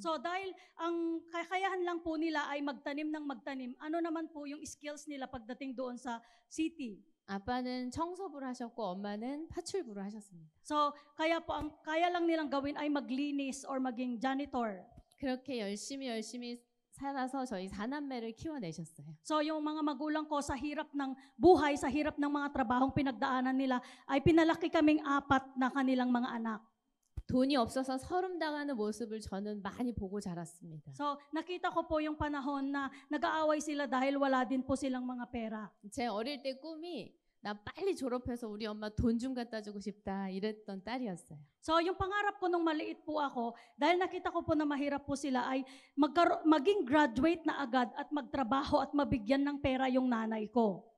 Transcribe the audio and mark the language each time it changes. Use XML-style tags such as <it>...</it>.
<tl>So dahil ang kakayahan lang po nila ay magtanim ng magtanim, ano naman po yung skills nila pagdating doon sa city?</tl> <ko>아빠는 청소부를 하셨고 엄마는 파출부를 하셨습니다.</ko> <tl>So kaya po ang kaya lang nilang gawin ay maglinis or maging janitor.</tl> <ko>그렇게 열심히 열심히 살아서 저희 4남매를 키워내셨어요.</ko> <tl>So yung mga magulang ko sa hirap ng buhay, sa hirap ng mga trabahong pinagdaanan nila ay pinalaki kaming apat na kanilang mga anak.</tl> <ko>돈이 없어서 서름당하는 모습을 저는 많이 보고 자랐습니다.</ko> <tl>So nakita ko po yung panahon na nag-aaway sila dahil wala din po silang mga pera.</tl> <ko>제 어릴 때 꿈이 나 빨리 졸업해서 우리 엄마 돈 좀 갖다 주고 싶다 이랬던 딸이었어요.</ko> <tl>So yung pangarap ko nung maliit po ako dahil nakita ko po na mahirap po sila ay maging graduate na agad at magtrabaho at mabigyan ng pera yung nanay ko.</tl>